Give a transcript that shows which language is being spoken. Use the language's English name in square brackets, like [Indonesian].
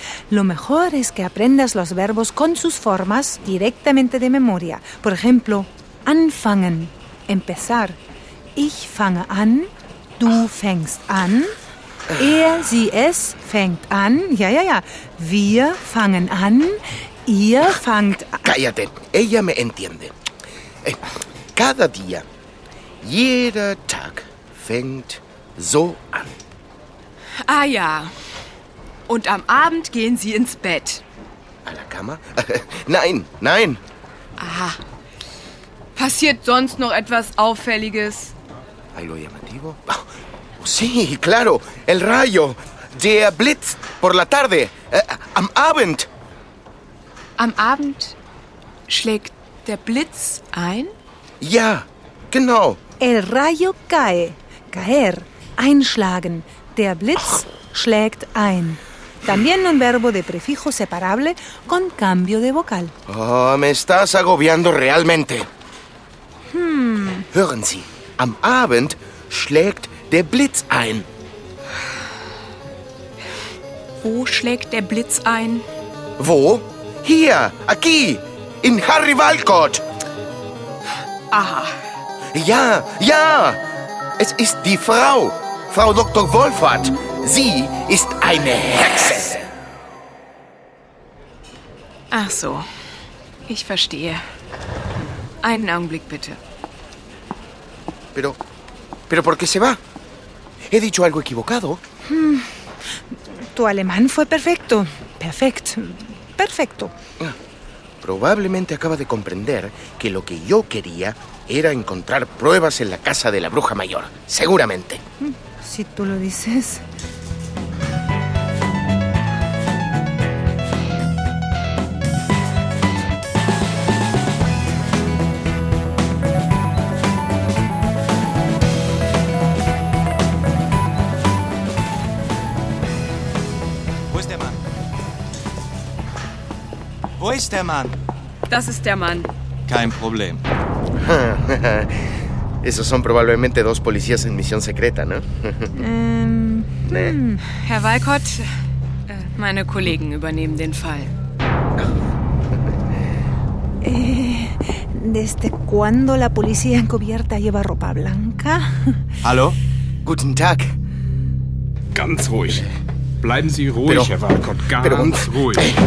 [Spanish] Lo mejor es que aprendas los verbos con sus formas directamente de memoria. Por ejemplo, anfangen, empezar. [German] Ich fange an, du fängst an. Er, sie, es fängt an. Ja, ja, ja. Wir fangen an, ihr fangt an. [Spanish] Cállate, ella me entiende. Cada día, [German] jeder Tag fängt so an. Ah ja. Und am Abend gehen Sie ins Bett. [Spanish] A la cama? [German] Nein, nein. Aha. Passiert sonst noch etwas Auffälliges? [Spanish] ¿Hay lo llamativo? Oh, sí, claro, el rayo. [German] Der Blitz, [Spanish] por la tarde. [German] Am Abend. Am Abend schlägt der Blitz ein? Ja, genau. [Spanish] El rayo cae. Caer, einschlagen. [German] Der Blitz schlägt ein. [Spanish] También un verbo de prefijo separable con cambio de vocal. Oh, me estás agobiando realmente. [German] Hören Sie, am Abend schlägt der Blitz ein. Wo schlägt der Blitz ein? Wo? Hier, aquí, in Harry Walcott. Aha. Ja, ja, es ist die Frau, Frau Dr. Wolfert. Sie ist eine Hexe. Ach so, ich verstehe. Einen Augenblick bitte. [Spanish] Pero ¿por qué se va? He dicho algo equivocado. Tu alemán fue perfecto. Perfect. Perfecto. Probablemente acaba de comprender que lo que yo quería era encontrar pruebas en la casa de la bruja mayor. Seguramente. Si tú lo dices. [German] Wo ist der Mann? Das ist der Mann. Kein Problem. [Spanish] Esos son probablemente dos policías en misión secreta, ¿no? [German] Herr Walcott, meine Kollegen übernehmen den Fall. [Spanish] ¿Desde cuándo la policía encubierta lleva ropa blanca? [German] Hallo? Guten Tag. Ganz ruhig. Bleiben Sie ruhig, pero, Herr Walcott, ganz pero, ruhig.